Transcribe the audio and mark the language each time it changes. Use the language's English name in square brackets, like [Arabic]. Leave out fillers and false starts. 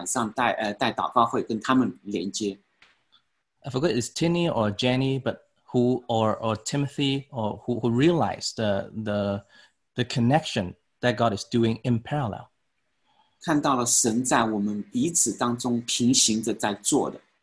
[Chinese] 同时神也是让我们的心和这个ZIP这个年轻团契，他们星期二晚上带祷告会跟他们连接。 [English] I forget it's Tinny or Jenny, but or Timothy, or who realized the connection that God is doing in parallel. [Chinese] 看到了神在我们彼此当中平行着在做的。